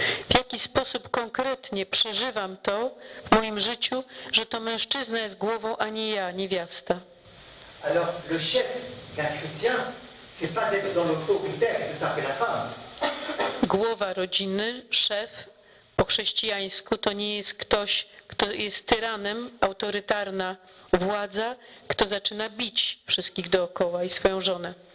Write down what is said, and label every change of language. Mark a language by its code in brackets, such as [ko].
[pl] W jaki sposób konkretnie przeżywam to w moim życiu, że to mężczyzna jest głową, a nie ja, niewiasta? [fr] Alors le chef d'un chrétien, c'est pas d'être dans l'autorité de taper la femme. [pl] Głowa rodziny, szef po chrześcijańsku, to nie jest ktoś, kto jest tyranem, autorytarna władza, kto zaczyna bić wszystkich dookoła i swoją żonę.